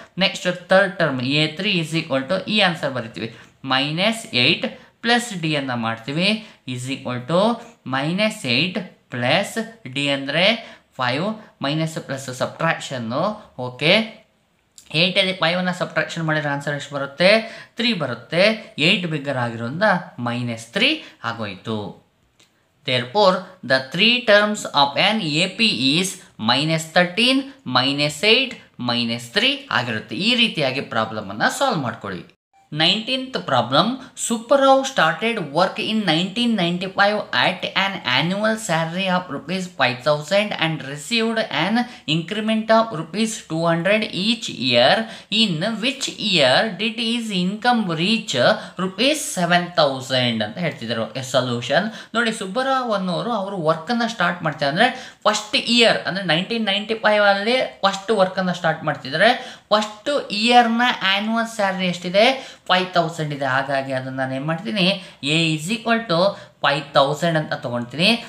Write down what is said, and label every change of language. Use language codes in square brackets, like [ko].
[kn] Next third term a3 is equal to ಈ answer ಬರಿತೀವಿ, minus 8 plus D ಅನ್ನು ಮಾಡ್ತೀವಿ, is equal to minus 8 plus D ಅಂದರೆ 5, minus plus ಸಬ್ಟ್ರಾಕ್ಷನ್ನು. Okay, 8ಅಲ್ಲಿ 5ನ್ನು subtraction ಮಾಡಿದ್ರೆ answer ಎಷ್ಟು ಬರುತ್ತೆ, 3 ಬರುತ್ತೆ, 8 ಬಿಗ್ಗರ್ ಆಗಿರೋದ್ರಿಂದ ಮೈನಸ್ 3 ಆಗೋಯ್ತು. [en] Therefore, the three terms of an AP is minus 13, minus 8, minus 3 [kn] ಆಗಿರುತ್ತೆ. ಈ ರೀತಿಯಾಗಿ ಪ್ರಾಬ್ಲಮನ್ನು ಸಾಲ್ವ್ ಮಾಡ್ಕೊಳ್ಳಿ. [en] 19th problem, Suparao started work in 1995 at an annual salary of rupees 5000 and received an increment of rupees 200 each year. In which year did his income reach rupees 7000? [kn] ಅಂತ ಹೇಳ್ತಿದ್ದಾರೆ. Okay, solution ನೋಡಿ. ಸುಬ್ಬರಾವ್ ಅನ್ನೋರು ಅವರು work ಅನ್ನ start ಮಾಡ್ತಾರೆ ಅಂದ್ರೆ first year ಅಂದ್ರೆ 1995 ಅಲ್ಲಿ ಫಸ್ಟ್ ವರ್ಕ್ ಅನ್ನ ಸ್ಟಾರ್ಟ್ ಮಾಡ್ತಿದ್ರೆ ಫಸ್ಟ್ ಇಯರ್ ನ ಆನ್ಯುವಲ್ ಸ್ಯಾಲರಿ ಎಷ್ಟಿದೆ? 5000 ಇದೆ. ಹಾಗಾಗಿ ಅದನ್ನ ನಾನು ಏನ್ ಮಾಡ್ತೀನಿ, ಎ ಇಸ್ ಈಕ್ವಲ್ ಟು 5000 ಅಂತ ತಗೊಳ್ತೀನಿ.